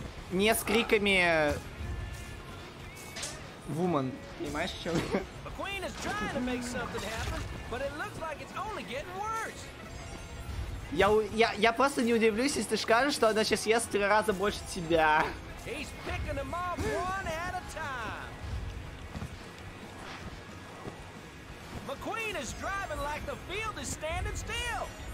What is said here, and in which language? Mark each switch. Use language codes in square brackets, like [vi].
[ru] Не с криками Woman. Понимаешь, что? [en] Queen is trying to make something happen, but it looks like it's only getting worse. [ru] Я просто не удивлюсь, если ты скажешь, что она сейчас ест в 3 раза больше тебя. [en] He's picking them off one at a time. McQueen is driving like the field is standing still.